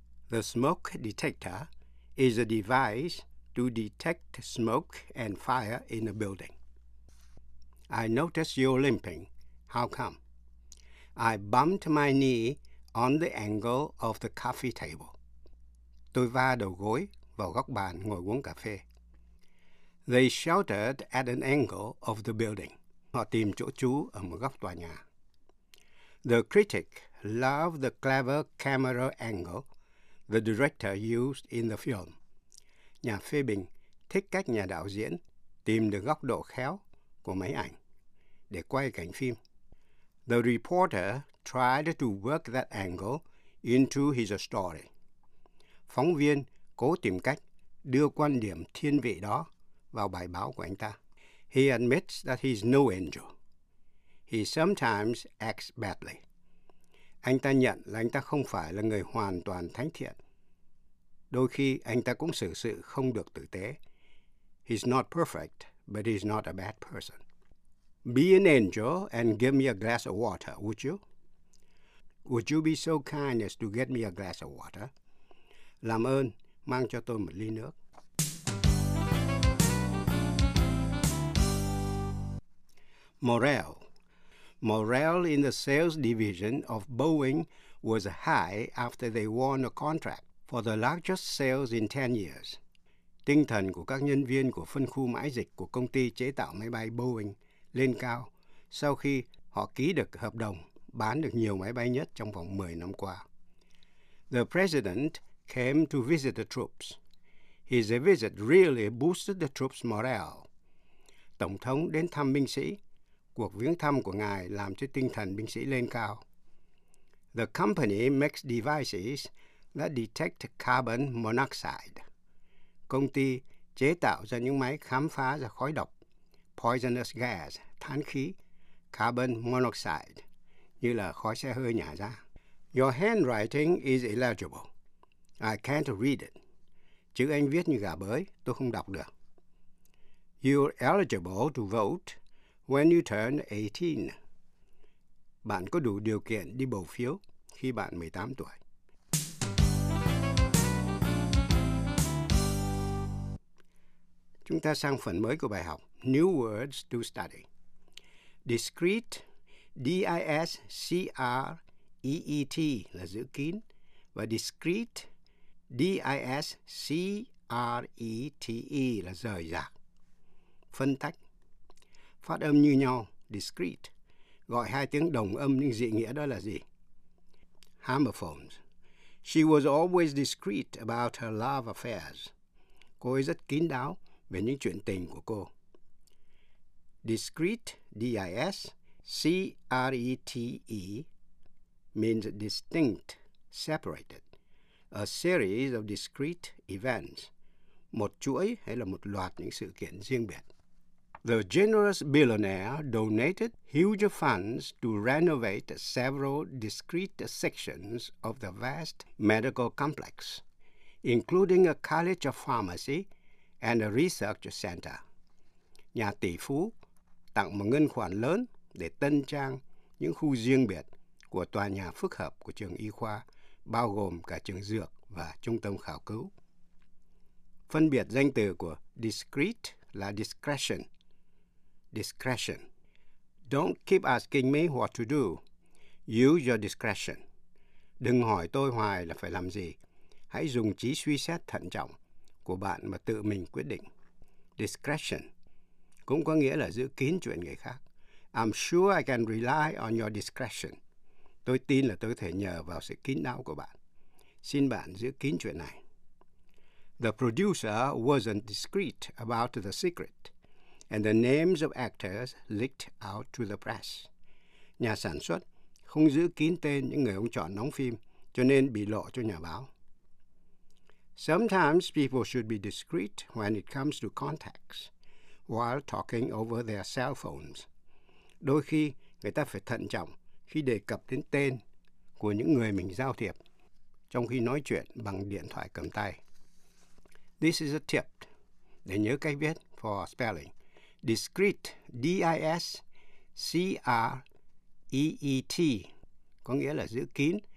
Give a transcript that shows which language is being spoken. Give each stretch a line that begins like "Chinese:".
English: The smoke detector is a device to detect smoke and fire in a building. I noticed you limping. How come? I bumped my knee on the angle of the coffee table.
Vietnamese: Tôi va đầu gối vào góc bàn ngồi uống cà phê.
English: They sheltered at an angle of the building.
Vietnamese: Họ tìm chỗ trú ở một góc tòa nhà.
English: The critic loved the clever camera angle the director used in the film.
Vietnamese: Nhà phê bình thích cách nhà đạo diễn tìm được góc độ khéo của máy ảnh để quay cảnh phim.
English: The reporter tried to work that angle into his story.
Vietnamese: Phóng viên cố tìm cách đưa quan điểm thiên vị đó vào bài báo của anh ta.
English: He admits that he's no angel. He sometimes acts badly.
Vietnamese: Anh ta nhận là anh ta không phải là người hoàn toàn thánh thiện. Đôi khi anh ta cũng xử sự không được tử tế.
English: He's not perfect, but he's not a bad person. Be an angel and give me a glass of water, would you? Would you be so kind as to get me a glass of water?
Vietnamese: Làm ơn, mang cho tôi một ly nước.
English: Morale. Morale in the sales division of Boeing was high after they won a contract for the largest sales in 10 years.
Vietnamese: Tinh thần của các nhân viên của phân khu mãi dịch của công ty chế tạo máy bay Boeing lên cao sau khi họ ký được hợp đồng bán được nhiều máy bay nhất trong vòng 10 năm qua.
English: The president came to visit the troops. His visit really boosted the troops' morale.
Vietnamese: Tổng thống đến thăm binh sĩ. Cuộc viếng thăm của ngài làm cho tinh thần binh sĩ lên cao.
English: The company makes devices that detect carbon monoxide.
Vietnamese: Công ty chế tạo ra những máy khám phá ra khói độc,
English: poisonous gas,
Vietnamese: than khí, carbon monoxide, như là khói xe hơi nhả ra.
English: Your handwriting is illegible. I can't read it.
Vietnamese: Chữ anh viết như gà bới, tôi không đọc được.
English: You're eligible to vote when you turn 18.
Vietnamese: Bạn có đủ điều kiện đi bầu phiếu khi bạn 18 tuổi. Chúng ta sang phần mới của bài học.
English: New words to study.
Vietnamese: Discreet, D-I-S-C-R-E-E-T là giữ kín. Và discreet, D-I-S-C-R-E-T-E là rời rạc. Phân tách. Phát âm như nhau, discreet. Gọi hai tiếng đồng âm nhưng dị nghĩa đó là gì?
English: Homophones. She was always discreet about her love affairs.
Vietnamese: Cô ấy rất kín đáo về những chuyện tình của cô.
English: Discreet, D-I-S-C-R-E-T-E, means distinct, separated. A series of discreet events.
Vietnamese: Một chuỗi hay là một loạt những sự kiện riêng biệt.
English: The generous billionaire donated huge funds to renovate several discrete sections of the vast medical complex, including a college of pharmacy and a research center.
Vietnamese: Nhà tỷ phú tặng một ngân khoản lớn để tân trang những khu riêng biệt của tòa nhà phức hợp của trường y khoa, bao gồm cả trường dược và trung tâm khảo cứu. Phân biệt danh từ của discreet là discretion.
English: Discretion. Don't keep asking me what to do. Use your discretion.
Vietnamese: Đừng hỏi tôi hoài là phải làm gì. Hãy dùng trí suy xét thận trọng của bạn mà tự mình quyết định. Discretion cũng có nghĩa là giữ kín chuyện người khác.
English: I'm sure I can rely on your discretion.
Vietnamese: Tôi tin là tôi có thể nhờ vào sự kín đáo của bạn. Xin bạn giữ kín chuyện này.
English: The producer wasn't discreet about the secret, and the names of actors leaked out to the press.
Vietnamese: Nhà sản xuất không giữ kín tên những người ông chọn đóng phim, cho nên bị lộ cho nhà báo.
English: Sometimes people should be discreet when it comes to contacts, while talking over their cell phones.
Vietnamese: Đôi khi, người ta phải thận trọng khi đề cập đến tên của những người mình giao thiệp, trong khi nói chuyện bằng điện thoại cầm tay.
English: This is a tip.
Vietnamese: Để nhớ cách viết
English: for spelling.
Vietnamese: Discreet, D-I-S-C-R-E-E-T, có nghĩa là giữ kín.